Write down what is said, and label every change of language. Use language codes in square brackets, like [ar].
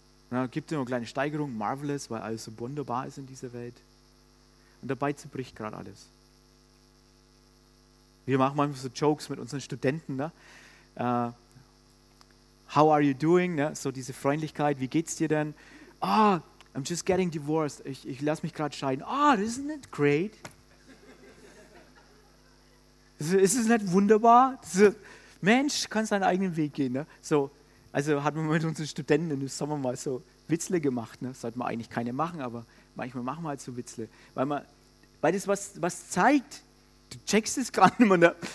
[de] Und dann gibt es eine kleine Steigerung, marvelous, weil alles so wunderbar ist in dieser Welt. Und dabei zerbricht gerade alles. Wir machen manchmal so Jokes mit unseren Studenten. Ne? [en] How are you doing? [de] Ne? So diese Freundlichkeit, wie geht's dir denn? [en] Ah, oh, I'm just getting divorced. [de] Ich lasse mich gerade scheiden. Ah, oh, [en] isn't it great? [de] Ist es nicht wunderbar? Mensch, kannst deinen eigenen Weg gehen. Ne? So. Also hat man mit unseren Studenten im Sommer mal so Witzle gemacht. Ne? Sollte man eigentlich keine machen, aber manchmal machen wir halt so Witzle. Weil das was zeigt, du checkst es gerade nicht mehr. Ne?